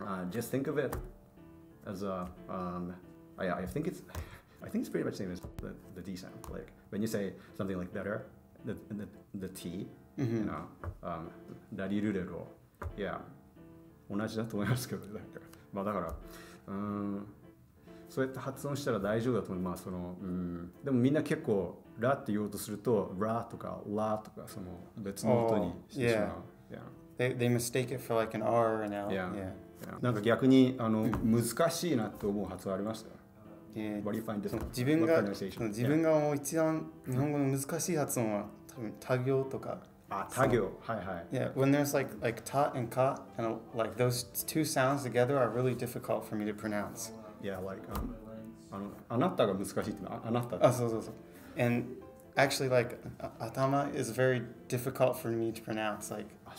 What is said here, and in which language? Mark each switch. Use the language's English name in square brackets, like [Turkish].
[English] Just think of it as a I think it's pretty much the same as the D sound. Like when you say something like better, the T. Mm-hmm. You know, ダリルレロ. [Japanese] Yeah. 同じだと思いますけど、まあだから、そうやって発音したら大丈夫だと思います。その、でもみんな結構ラって言おうとするとラとかラとかその別の音にしてしまう。 [English] Oh, yeah. Yeah. They mistake it for like an R or an L. Yeah. Yeah. [Japanese] なんか逆にあの難しいなと思う発音ありました。 [English] What do you find difficult? [Japanese] 自分が自分が思う一番日本語の難しい発音は多分タ行とか。あ、タ行。はいはい。 [English] Yeah. When there's like ta and ka, and like those two sounds together are really difficult for me to pronounce. Yeah. Like [Japanese] あなたが難しいってあなた。あ、そうそうそう。 [English] And actually, like, atama is very difficult for me to pronounce. Like,